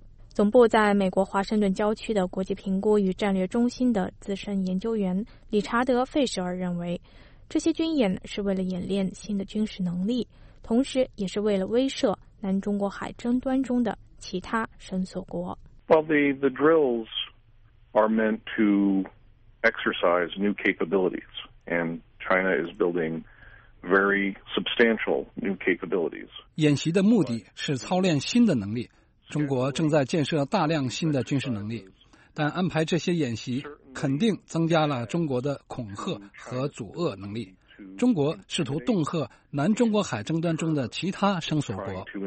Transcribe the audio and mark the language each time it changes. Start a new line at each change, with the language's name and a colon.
Chinese: 总部在美国华盛顿郊区的国际评估与战略中心的资深研究员理查德·费舍尔认为，这些军演是为了演练新的军事能力，同时也是为了威慑南中国海争端中的其他绳索国。
English: The drills are meant to exercise new capabilities, and China is building very substantial new capabilities.
Chinese: 演习的目的是操练新的能力，中国正在建设大量新的军事能力，但安排这些演习肯定增加了中国的恐吓和阻遏能力。中国试图恫吓南中国海争端中的其他生索国。